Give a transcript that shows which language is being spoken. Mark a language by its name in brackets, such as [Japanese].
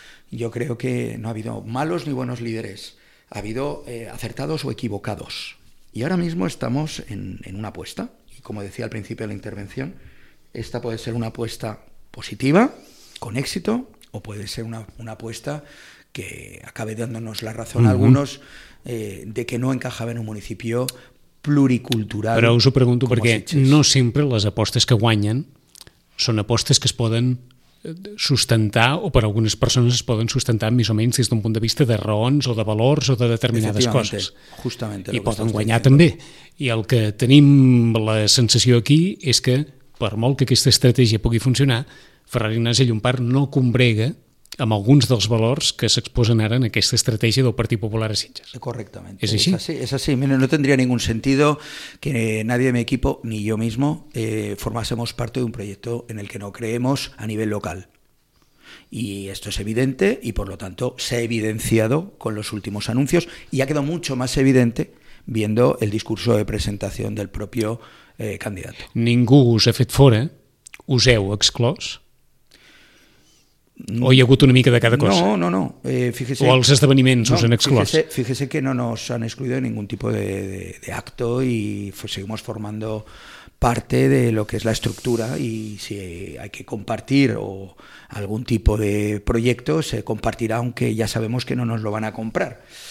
[Spanish] Yo creo que no ha habido malos ni buenos líderes, ha habido acertados o equivocados. Y ahora mismo estamos en una apuesta, y como decía al principio de la intervención, esta puede ser una apuesta positiva, con éxito, o puede ser una apuesta que acabe dándonos la razón a algunos... [Catalan] de que no encajava en un municipi pluricultural. Però us ho pregunto perquè no sempre les apostes que guanyen són apostes que es poden sustentar o per algunes persones es poden sustentar més o menys des d'un punt de vista de raons o de valors o de determinades coses. Justament. I poden guanyar també. I el que tenim la sensació aquí és que, per molt que aquesta estratègia pugui funcionar, Ferran Ignasi Llompart no combrega amb alguns dels valors que s'exposen ara en aquesta estratègia del Partit Popular a Sitges. Correctament. És així? És així. [Spanish] Mira, no tendría ningún sentido que nadie de mi equipo, ni yo mismo, formásemos parte de un proyecto en el que no creemos a nivel local. Y esto es evidente y, por lo tanto, se ha evidenciado con los últimos anuncios y ha quedado mucho más evidente viendo el discurso de presentación del propio candidato. [Catalan] Ningú us ha fet fora, us heu exclòs... ¿O hi ha hagut una mica de cada cosa? No. ¿O els esdeveniments us han exclòs? [Spanish] Fíjese que no nos han excluido en ningún tipo de acto y seguimos formando parte de lo que es la estructura, y si hay que compartir o algún tipo de proyecto se compartirá, aunque ya sabemos que no nos lo van a comprar.